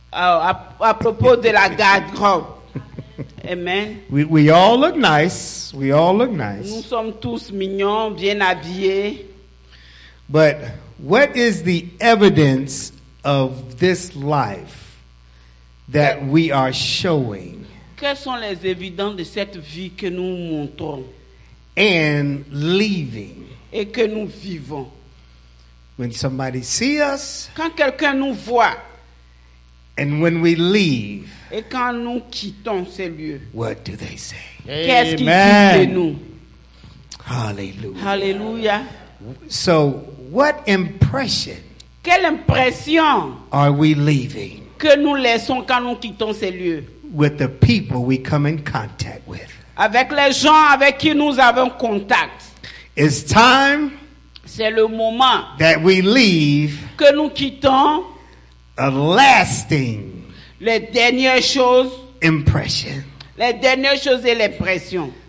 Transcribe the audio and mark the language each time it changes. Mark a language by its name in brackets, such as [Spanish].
[French] À propos de la garde-robe. Amen. [English] We all look nice. We all look nice. [French] Nous sommes tous mignons, bien habillés. [English] But what is the evidence of this life that we are showing? [French] Quelles sont les évidences de cette vie que nous montrons? [English] And living. [French] Et que nous vivons. [English] When somebody sees us. [French] Quand quelqu'un nous voit. [English] And when we leave. [French] Et quand nous quittons ces lieux, [English] what do they say? [French] Qu'est-ce qu'ils disent de nous? Hallelujah. Hallelujah. [English] So, what impression? [French] Quelle impression? [English] Are we leaving? [French] Que nous laissons quand nous quittons ces lieux? [English] With the people we come in contact with. [French] Avec les gens avec qui nous avons contact. [English] It's time. [French] C'est le moment. [English] That we leave. [French] Que nous quittons. [English] A lasting. [French] Les dernières choses. [English] Impression. [French] Les dernières choses et l'impression.